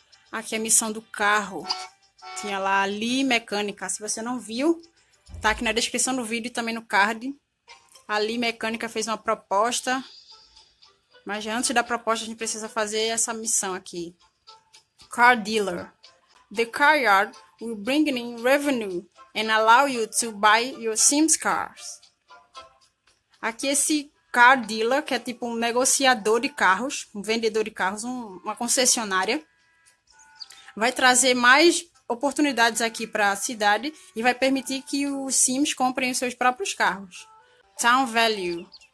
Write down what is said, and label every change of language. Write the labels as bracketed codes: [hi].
[pt] Aqui a missão do carro. Tinha lá Ali Mecânica. Se você não viu, tá aqui na descrição do vídeo e também no card. Ali Mecânica fez uma proposta. Mas antes da proposta, a gente precisa fazer essa missão aqui. [en] Car Dealer. The car yard will bring in revenue and allow you to buy your Sims cars. [pt] Aqui esse car dealer, que é tipo um negociador de carros, um vendedor de carros, uma concessionária, vai trazer mais oportunidades aqui para a cidade e vai permitir que os Sims comprem os seus próprios carros. Town Value.